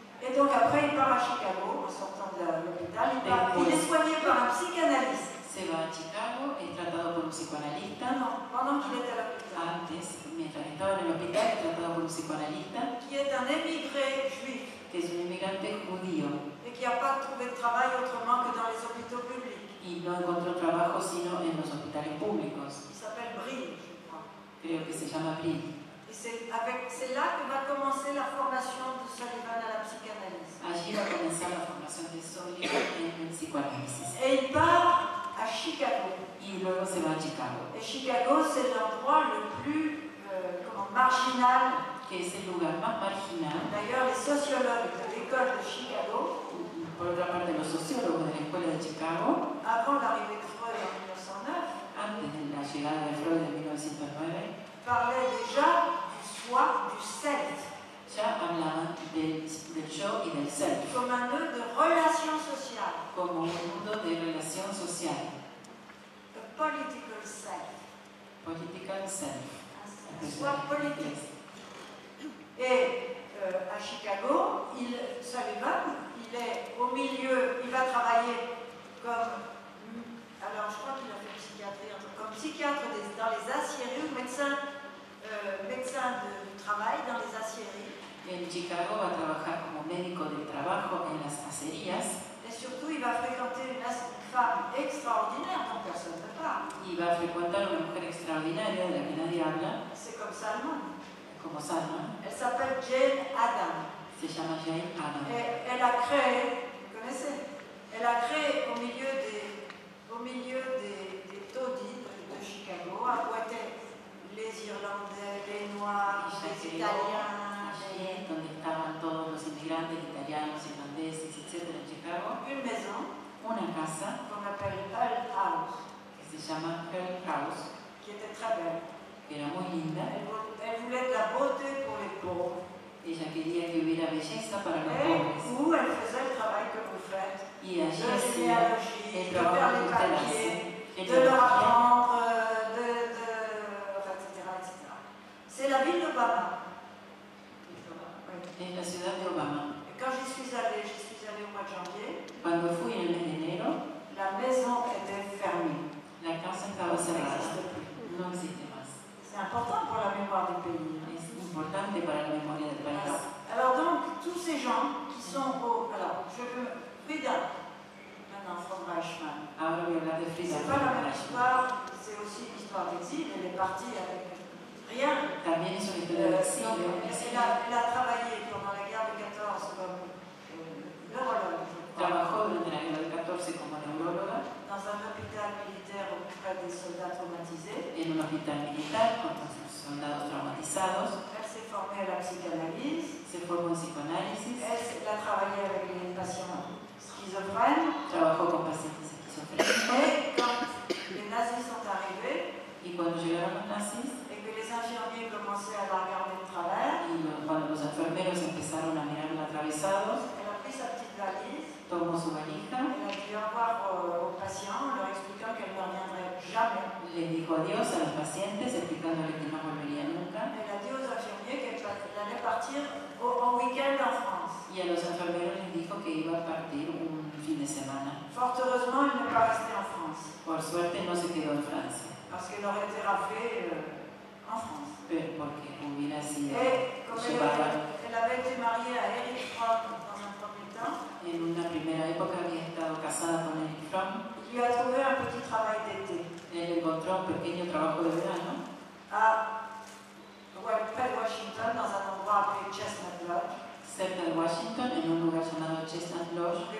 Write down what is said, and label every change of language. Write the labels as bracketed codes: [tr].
[fr] Et donc après, il part à Chicago en sortant de l'hôpital. Il est soigné par un psychanalyste. [es] Se va a Chicago, es tratado por un psicoanalista. No, cuando él estaba en el hospital. Antes, mientras estaba en el hospital, es tratado por un psicoanalista. [fr] Qui est un émigré juif. [es] Que es un inmigrante judío. [fr] Et qui a pas trouvé de travail autrement que dans les hôpitaux publics. [es] Y no encontró trabajo sino en los hospitales públicos. [fr] Il s'appelle Brill, je crois. [es] Creo que se llama Brill. [fr] C'est là que va commencer la formation de Sullivan à la psychanalyse. [es] Allí va a comenzar la formación de Sullivan en el psicoanálisis. [fr] Et il part à Chicago. [es] Et luego se va a Chicago. [fr] Et Chicago, c'est l'endroit le plus marginal. [es] Que es el lugar más marginal. [fr] D'ailleurs, les sociologues de l'école de Chicago. [es] Por otra parte, los sociólogos de la escuela de Chicago. [fr] Avant l'arrivée de Freud en 1909. [es] Antes de la llegada de Freud en 1909. [fr] Parlait déjà du soi, du self. [es] Ya hablaba del yo y del self. [fr] Comme un nœud de relation sociale. [es] Como un nudo de relación social. [en] A political self. Political self. [fr] Un soi politique. Yes. Et à Chicago, il va travailler comme. Alors je crois qu'il a fait psychiatrie, comme psychiatre dans les aciéries ou médecin. Médecin du travail dans les aciéries. [es] En Chicago, va trabajar como médico de trabajo en las acerías. [fr] Et surtout, il va fréquenter une femme extraordinaire dont personne ne parle. Il va fréquenter [es] une mujer extraordinaire de la que nadie habla. [fr] C'est comme Salman. [es] Como Salman. [fr] Elle s'appelle Jane Adam. [es] Se llama Jane Adam. [fr] Elle a créé, vous connaissez, elle a créé au milieu des taudis de Chicago, à côté. Les Irlandais, les Noirs, les Italiens, [es] donde estaban todos los inmigrantes italianos, irlandeses, etc. en Chicago. [fr] Une maison, [es] una casa, [fr] qu'on appelle Hull House, [es] que se llama Hull House, [fr] qui était très belle, [es] que era muy linda. [fr] Elle voulait la beauté pour les pauvres. [es] Ella quería que hubiera belleza para los pobres. [fr] Où elle faisait le travail que vous faites. [es] Y allí hacía el trabajo que usted hace. [fr] De leur apprendre, etc. C'est la ville d'Obama. [es] Es la ciudad de Obama. [fr] Et quand j'y suis allée au mois de janvier. [es] Cuando fui en el enero. [fr] La maison était fermée. [es] La casa estaba cerrada. No existe más. [fr] C'est important pour la mémoire du pays. [es] Es importante para la memoria del país. [en] Yes. [fr] Alors donc, tous ces gens qui sont au... Alors, je veux... Frida. Maintenant, Frida Reichmann. [es] Ahora voy a hablar de Frida. [fr] C'est pas la même histoire, c'est aussi une histoire d'exil. Elle est partie avec rien. [es] También es una historia de exil. [fr] Elle a travaillé pendant la guerre de 14 comme neuróloga. Dans un hôpital militaire auprès des soldats traumatisés. [es] En un hospital militar con los soldados traumatizados. [fr] Elle s'est formée à la psychanalyse. [es] Se formó en psicoanálisis. [fr] Elle a travaillé avec les patients schizophrènes. [es] Trabajó con pacientes esquizofrénicos. [fr] Et quand les nazis sont arrivés. [es] Y cuando llegaron los nazis. [fr] Et que les infirmiers commençaient à la regarder de travers. [es] Y cuando los enfermeros empezaron a mirarla atravesados. [fr] Elle a pris sa petite valise. [es] Tomó su valija. [fr] Elle a dû avoir aux patients en leur expliquant qu'elle ne reviendrait jamais. [es] Le dijo adiós a los pacientes explicándole que no volvería nunca. [fr] Elle a dit aux infirmiers qu'elle allait partir en week-end en France. [es] Y a los enfermeros les dijo que iba a partir un fin de semana. [fr] Fort heureusement, elle n'est pas restée en France. [es] Por suerte, no se quedó en Francia. [fr] Parce qu'elle aurait été raflée en France. [es] Pero porque hubiera sido llevada. [fr] Elle avait été mariée à Eric Fromm. [es] En una primera época había estado casada con Eric Fromm. [fr] Il lui a trouvé un petit travail d'été. [es] Él encontró un pequeño trabajo de verano. [fr] À près de Washington, dans un endroit appelé Chestnut Lodge. [es] Cerca de Washington, en un lugar llamado Chestnut Lodge.